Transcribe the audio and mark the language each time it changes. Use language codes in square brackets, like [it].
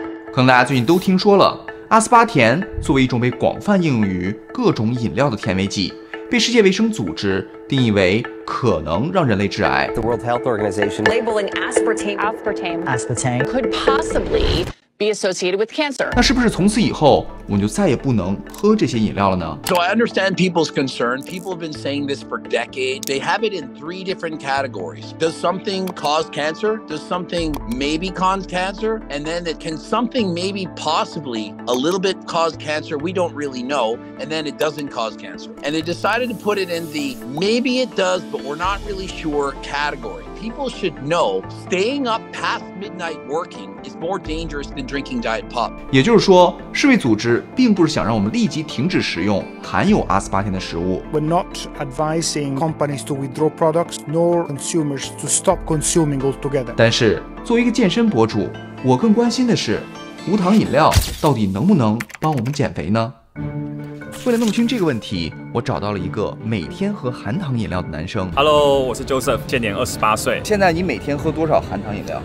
[zh] 可能大家最近都听说了，阿斯巴甜作为一种被广泛应用于各种饮料的甜味剂，被世界卫生组织定义为可能让人类致癌。 [en] The World Health Organization labeling aspartame could possibly be associated with cancer. [zh] 那是不是从此以后我们就再也不能喝这些饮料了呢？ [en] So I understand people's concern. People have been saying this for decades. They have it in three different categories. Does something cause cancer? Does something maybe cause cancer? And then it, can something maybe possibly a little bit cause cancer? We don't really know. And then it doesn't cause cancer. And they decided to put it in the maybe it does, but we're not really sure category. People should know staying up past midnight working is more dangerous than drinking diet pop. [zh] 也就是说，世卫组织并不是想让我们立即停止食用含有阿斯巴甜的食物。 [en] We're not advising companies to withdraw products nor consumers to stop consuming altogether. [zh] 但是，作为一个健身博主，我更关心的是，无糖饮料到底能不能帮我们减肥呢？为了弄清这个问题，我找到了一个每天喝含糖饮料的男生。 Hello， 我是 Joseph， 今年28岁。现在你每天喝多少含糖饮料？